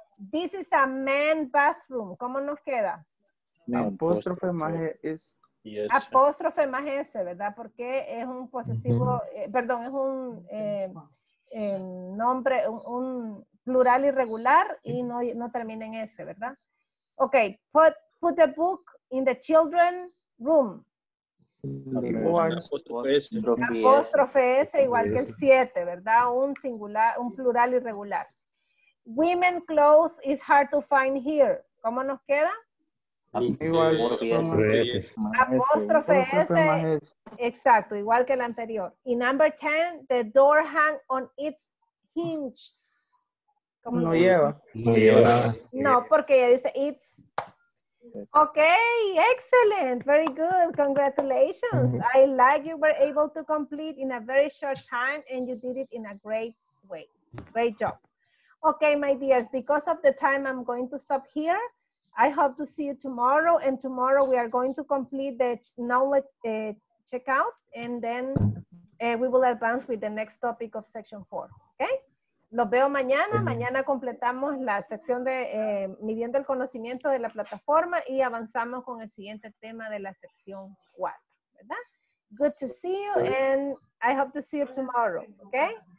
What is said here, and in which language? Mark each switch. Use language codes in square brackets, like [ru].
[en] This is a man's bathroom. [es] ¿Cómo nos queda? Apóstrofe más es... [en] Yes. [es] Apóstrofe más S, ¿verdad? Porque es un posesivo, perdón, es un nombre, un plural irregular y no termina en S, ¿verdad? [en] Ok, put the book in the children room. [es] Apóstrofe S igual que el 7, ¿verdad? Un singular, un plural irregular. [en] Women clothes is hard to find here. [es] ¿Cómo nos queda? Igual. Apóstrofe S. Exacto, igual que el anterior. [en] Y number 10, the door hang on its hinges. [es] ¿Cómo no lleva? No lleva nada. No, porque ya dice [en] it's. Ok, excellent, very good, congratulations. I like you were able to complete in a very short time and you did it in a great way. Great job. Ok, my dears, because of the time I'm going to stop here. I hope to see you tomorrow, and tomorrow we are going to complete the knowledge checkout and then we will advance with the next topic of section 4. [es] Ok, los veo mañana. Mañana completamos la sección de midiendo el conocimiento de la plataforma y avanzamos con el siguiente tema de la sección 4, ¿verdad? [en] Good to see you, and I hope to see you tomorrow, okay?